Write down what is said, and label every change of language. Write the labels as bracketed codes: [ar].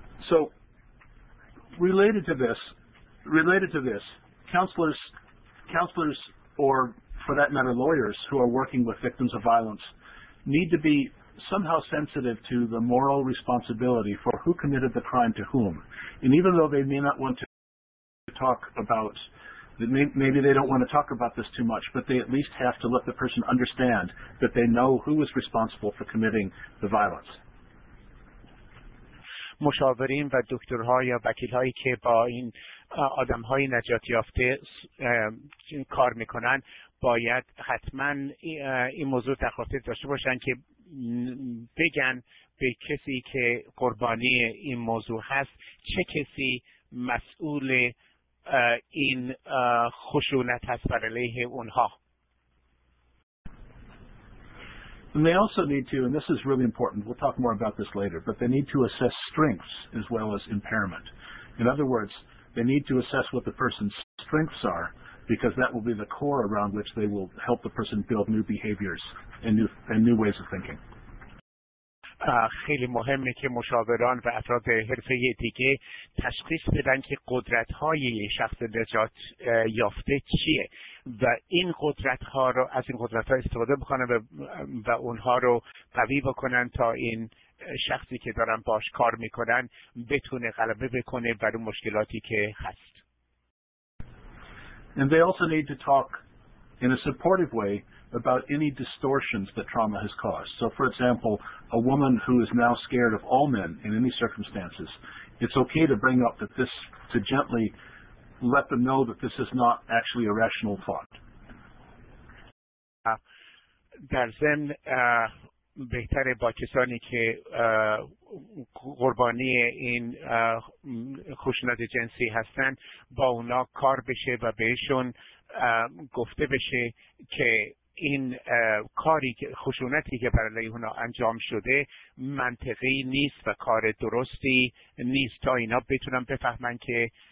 [en] So, related to this, counselors, or for that matter, lawyers who are working with victims of violence, need to be somehow sensitive to the moral responsibility for who committed the crime to whom. And even though they may not want to talk about, maybe they don't want to talk about this too much, but they at least have to let the person understand that they know who is responsible for committing the violence. [fa] مشاورین و دکترها یا وکیلهایی که با این آدمهای نجات یافته کار میکنن باید حتما این موضوع در خاطر داشته باشن که بگن به کسی که قربانی این موضوع هست چه کسی مسئول این خشونت هست بر علیه اونها. [en] And they also need to, and this is really important, we'll talk more about this later, but they need to assess strengths as well as impairment. In other words, they need to assess what the person's strengths are, because that will be the core around which they will help the person build new behaviors and new ways of thinking. [fa] خیلی مهمه که مشاوران و افراد حرفه‌ای دیگه تشخیص بدن که قدرت‌های شخص نجات یافته چیه و این قدرت‌ها رو از این قدرت‌ها استفاده بکنن و اونها رو قوی بکنن تا این شخصی که دارن باش کار می‌کنن بتونه غلبه بکنه بر اون مشکلاتی که هست. [en] And they also need to talk in a supportive way about any distortions that trauma has caused. So, for example, a woman who is now scared of all men in any circumstances, it's okay to bring up that this, to gently let them know that this is not actually a rational thought. [fa] در ضمن بهتره با کسانی که قربانی این خشونت جنسی هستن با اونا کار بشه و بهشون گفته بشه که این کاری که خشونتی که بر علیه اونا انجام شده منطقی نیست و کار درستی نیست تا اینا بتونن بفهمن که